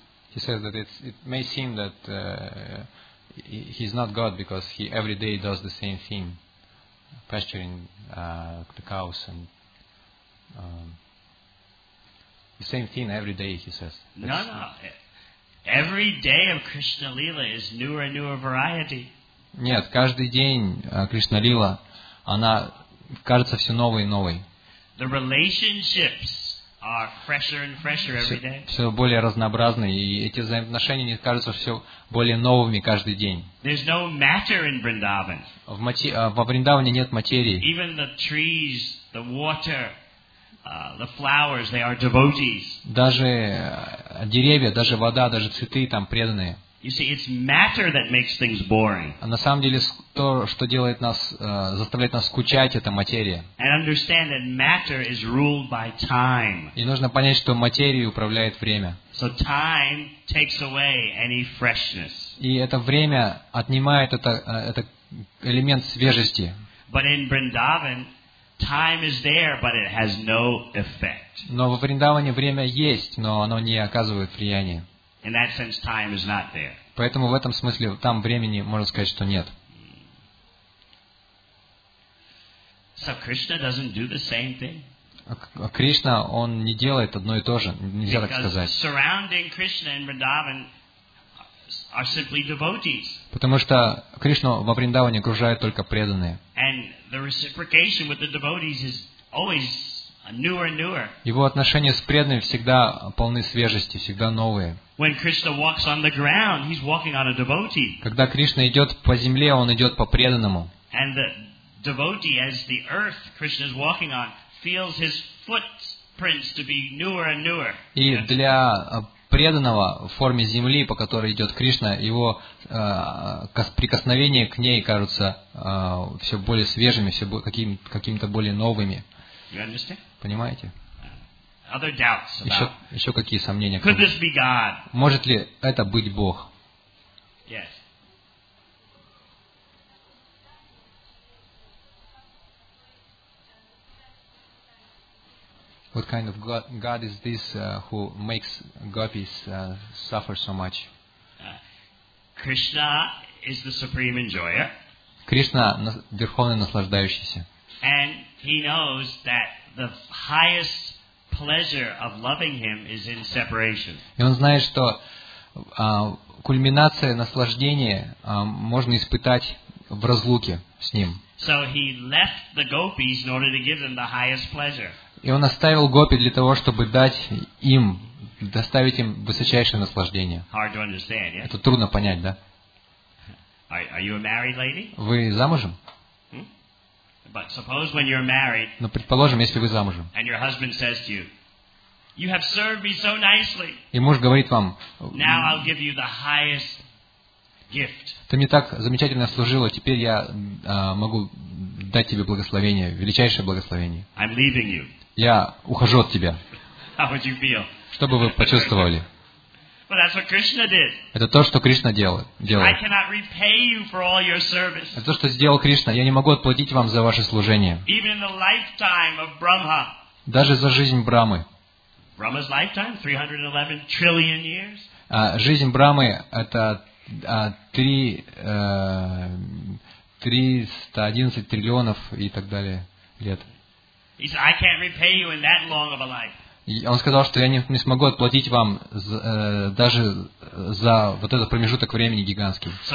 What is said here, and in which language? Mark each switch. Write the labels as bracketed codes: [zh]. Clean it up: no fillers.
[en] He says that it may seem that he's not God because he every day does the same thing, pasturing the cows and the same thing every day, he says. No. Every day of Krishna Lila is newer and newer variety. [ru] Нет, каждый день Кришна Лила, она кажется все новой и новой. [en] The relationships are fresher and fresher every day. [ru] Все более разнообразные, и эти взаимоотношения, мне кажется, все более новыми каждый день. [en] There's no matter in Vrindavan. [ru] Во Вриндаване нет материи. [en] Even the trees, the water, the flowers, they are devotees. [ru] Даже деревья, даже вода, даже цветы там преданные. [en] You see, it's matter that makes things boring. [ru] На самом деле, то, что делает нас, заставляет нас скучать, это материя. [en] And understand that matter is ruled by time. [ru] И нужно понять, что материей управляет время. [en] So time takes away any freshness. [ru] И это время отнимает это элемент свежести. [en] But in Vrindavan, time is there, but it has no effect. [ru] Но во Вриндаване время есть, но оно не оказывает влияния. [en] In that sense, time is not there. [ru] Поэтому в этом смысле там времени можно сказать, что нет. [en] So Krishna doesn't do the same thing. [ru] Кришна, он не делает одно и то же, нельзя [en] Because [ru] так сказать. [en] Surrounding Krishna in Vrindavan are simply devotees. [ru] Потому что Кришну во Вриндаване окружают только преданные. [en] And the reciprocation with the devotees is always newer and newer. [ru] Его отношения с преданными всегда полны свежести, всегда новые. [en] When Krishna walks on the ground, he's walking on a devotee. [ru] Когда Кришна идет по земле, он идет по преданному. [en] And the devotee, as the earth Krishna is walking on, feels his footprints to be newer and newer. [ru] И для преданного в форме земли, по которой идет Кришна, его прикосновение к ней кажутся все более свежими, все какими-то более новыми. [en] You understand? [ru] Понимаете? [en] other doubts about. [ru] Еще какие сомнения? [en] Could this be God? [ru] Может ли это быть Бог? [en] Yes. What kind of God is this who makes gopis suffer so much? Krishna is the supreme enjoyer. [ru] Кришна верховный наслаждающийся. [en] And he knows that the highest pleasure of loving him is in separation. [ru] И он знает, что кульминация наслаждения можно испытать в разлуке с ним. [en] So he left the gopis in order to give them the highest pleasure. [ru] И он оставил гопи для того, чтобы дать им, доставить им высочайшее наслаждение. [en] Hard to understand, yeah? [ru] Это трудно понять, да? [en] Are you a married lady? [ru] Вы замужем? [en] But suppose when you're married. [ru] Но предположим, если вы замужем. [en] And your husband says to you, "You have served me so nicely." [ru] И муж говорит вам. [en] Now I'll give you the highest gift. [ru] Ты мне так замечательно служила, теперь я могу дать тебе благословение, величайшее благословение. [en] I'm leaving you. [ru] Я ухожу от тебя. [en] How would you feel? [ru] Что бы вы почувствовали? [en] Well, that's what Krishna did. [ru] Это то, что Кришна делает. [en] I cannot repay you for all your service. [ru] Это то, что сделал Кришна. Я не могу отплатить вам за ваше служение. [en] Even in the lifetime of Brahma. [ru] Даже за жизнь Брахмы. [en] Brahma's lifetime, 311 trillion years. [ru] Жизнь Брахмы это 311 триллионов и так далее лет. [en] He said, "I can't repay you in that long of a life." [ru] Он сказал, что я не смогу отплатить вам даже за вот этот промежуток времени гигантский.